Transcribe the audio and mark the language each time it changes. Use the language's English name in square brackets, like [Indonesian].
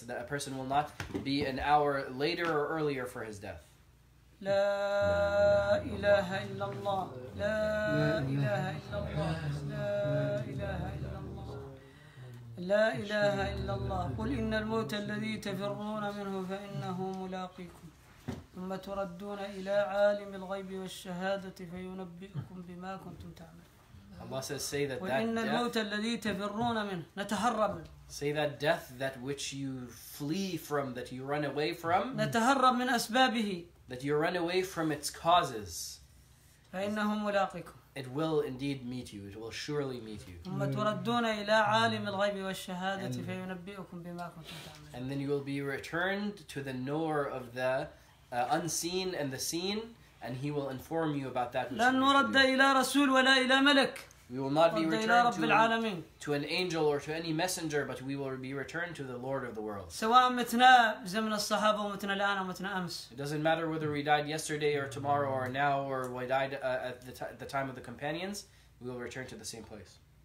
[English] That a person will not be an hour later or earlier for his death. [Arabic] لا إله إلا الله لا إله إلا الله لا إله إلا الله لا إله إلا الله قل إن الموت الذي تفرون منه فإنه ملاقيكم ثم تردون إلى عالم الغيب والشهادة فينبئكم بما كنتم تعملون. [English] Allah says say that death. [Arabic] وإن الموت الذي تفرون منه نتهرب. [English] Say that death, that which you flee from, that you run away from. [Arabic] نتهرب من أسبابه. [English] That you run away from its causes, [Arabic] فإنهم ملاقيكم. [English] It will indeed meet you. It will surely meet you. [Arabic] ثم تردون إلى عالم الغيب والشهادة فينبئكم بما كنتم تعملون. [English] And then you will be returned to the knower of the unseen and the seen, and he will inform you about that. [Arabic] لن نرد إلى رسول ولا إلى ملك. [English] We will not be returned to an angel or to any messenger, but we will be returned to the Lord of the world. It doesn't matter whether we died yesterday or tomorrow or now, or we died at the time of the companions, we will return to the same place.